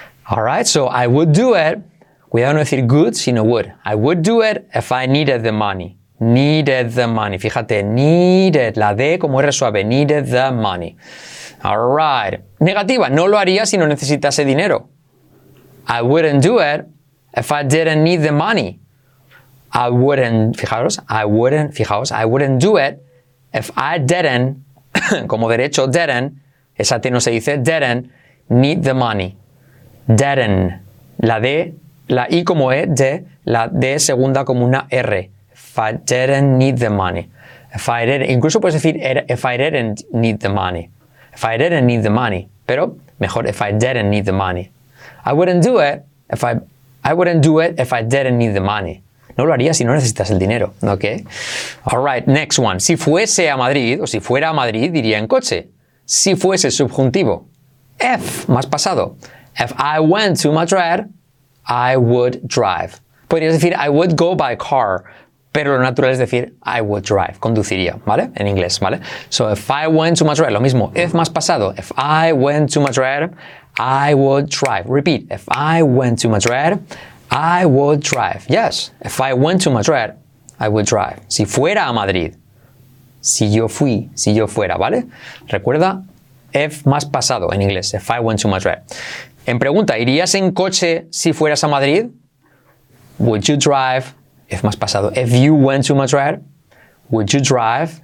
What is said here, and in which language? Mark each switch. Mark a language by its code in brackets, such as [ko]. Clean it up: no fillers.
[en] Alright, so I would do it, [es] cuidado no decir [en] good, sino would. I would do it if I needed the money. Needed the money, fíjate, needed, [es] la D como R suave, [en] needed the money. [es] Alright, negativa, no lo haría si no necesitase dinero. [en] I wouldn't do it if I didn't need the money. I wouldn't, fijaros, I wouldn't do it if I didn't, [es] como derecho, [en] didn't, [es] esa T no se dice, [en] didn't need the money. [es] Didn't, la D, la I como E, D, la D segunda como una R. [en] If I didn't need the money. If I didn't, [es] incluso puedes decir, [en] if I didn't need the money. If I didn't need the money. [es] Pero mejor, [en] if I didn't need the money. I wouldn't do it if I wouldn't do it if I didn't need the money. [es] No lo haría si no necesitas el dinero, ¿ok? [en] All right, next one. [es] Si fuese a Madrid, o si fuera a Madrid, diría en coche. Si fuese subjuntivo. If, más pasado. [en] If I went to Madrid, I would drive. [es] Podrías decir, [en] I would go by car. [es] Pero lo natural es decir, [en] I would drive. [es] Conduciría, ¿vale? En inglés, ¿vale? [en] So, if I went to Madrid, [es] lo mismo. [en] If más pasado. If I went to Madrid, I would drive. Repeat. If I went to Madrid, I would drive. Yes. If I went to Madrid, I would drive. [es] Si fuera a Madrid. Si yo fuera, ¿vale? [en] Recuerda, if [es] más pasado en inglés. [en] If I went to Madrid. [es] En pregunta, ¿irías en coche si fueras a Madrid? [en] Would you drive? If más pasado. If you went to Madrid, would you drive?